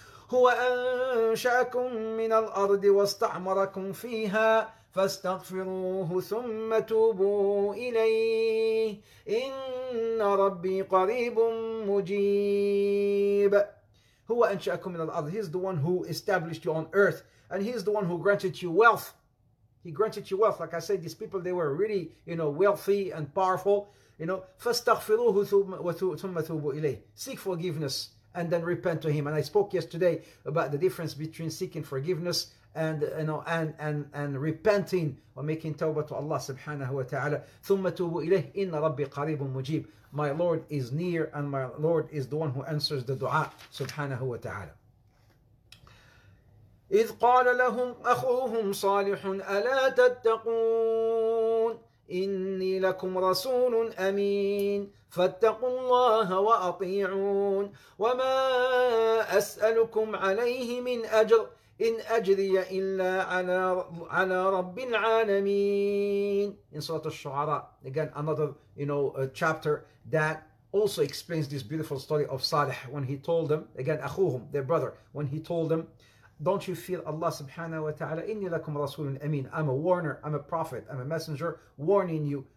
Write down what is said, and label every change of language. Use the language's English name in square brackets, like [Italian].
[Arabic] هُوَ أَنْشَأَكُمْ مِنَ الْأَرْضِ وَاسْتَعْمَرَكُمْ فِيهَا فَاسْتَغْفِرُوهُ ثُمَّ تُوبُوا إِلَيْهِ إِنَّ رَبِّي قَرِيبٌ مُجِيبٌ هو أنشأكم من الأرض. [English] He's the one who established you on earth, and he's the one who granted you wealth. He granted you wealth. Like I said, these people, they were really, you know, wealthy and powerful. You know, [Arabic] فاستغفروه ثم توبوا إليه. [English] Seek forgiveness and then repent to him. And I spoke yesterday about the difference between seeking forgiveness and, you know, and repenting or making tawbah to Allah subhanahu wa ta'ala. [Arabic] ثم توبوا إليه إن ربي قريب مجيب. [English] My Lord is near and my Lord is the one who answers the dua subhanahu wa ta'ala. [Arabic] إذ قال لهم أخوهم صالح ألا تتقون إني لكم رسول أمين فاتقوا الله وأطيعون وما أسألكم عليه من أجر إن أجري إلا على رب العالمين [English] In Surah Al-Shu'ara, again another, you know, chapter that also explains this beautiful story of Salih when he told them, again, أخوهم, their brother, when he told them, Don't you fear Allah subhanahu wa ta'ala? [Arabic] إِنِّي لَكُمْ رَسُولٌ أَمِينٌ [English] I'm a warner, I'm a prophet, I'm a messenger warning you.